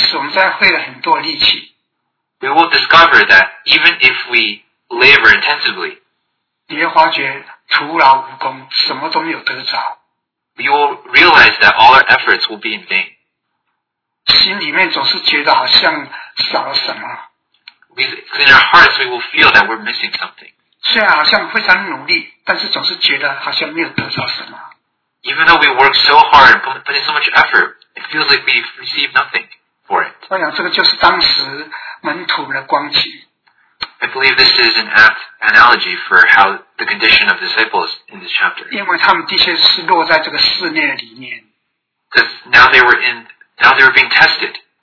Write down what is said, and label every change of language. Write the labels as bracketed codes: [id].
[zh] 我们也会发觉，即使我们再费了很多力气。 [en] We will discover that even if we labor intensively, we will realize that all our efforts will be in vain. [zh] 心里面总是觉得好像少了什么。 [en] In our hearts, we will feel that we're missing something. [zh] 虽然好像非常努力, 但是总是觉得好像没有得到什么。 [en] Even though we work so hard and put in so much effort, it feels like we've received nothing for it. [zh] 我想这个就是当时, 门徒的光景, [en] I believe this is an apt analogy for how the condition of disciples in this chapter. Because now they were in, now they were being tested.